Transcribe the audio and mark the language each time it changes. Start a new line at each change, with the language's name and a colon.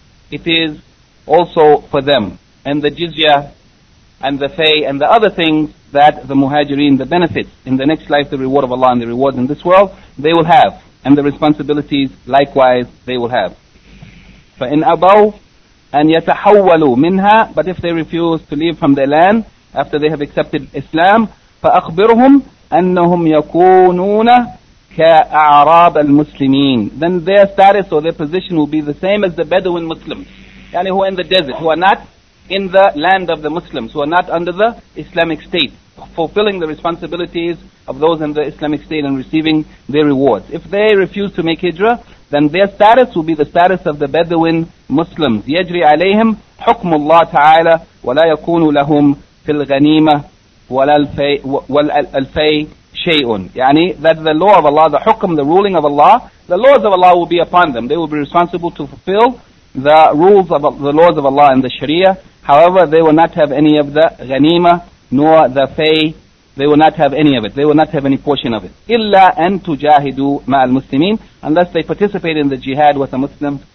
English: It is also for them. And the jizya and the fay and the other things that the muhajirin, the benefits in the next life, the reward of Allah and the reward in this world, they will have. And the responsibilities, likewise, they will have.
Arabic: فَإِنْ أَبَوْا أَنْ يَتَحَوَّلُوا مِنْهَا.
English: But if they refuse to leave from their land after they have accepted Islam,
Arabic: فَأَخْبِرْهُمْ أنهم يكونون كأعراب المسلمين.
English: Then their status or their position will be the same as the Bedouin Muslims. يعني who are in the desert, who are not in the land of the Muslims, who are not under the Islamic State, fulfilling the responsibilities of those in the Islamic State and receiving their rewards. If they refuse to make hijrah, then their status will be the status of the Bedouin Muslims.
Arabic: يجري عليهم حكم الله تعالى ولا يكون لهم في الغنيمة ولا الفي شيء.
English: يعني that the law of Allah, the hukm, the ruling of Allah, the laws of Allah will be upon them. They will be responsible to fulfill the rules of the laws of Allah and the Sharia. However, they will not have any of the ghanima nor the fay. They will not have any of it. They will not have any portion of it.
Arabic: Illa an tujahidu ma'al muslimin,
English: unless they participate in the jihad with the Muslims.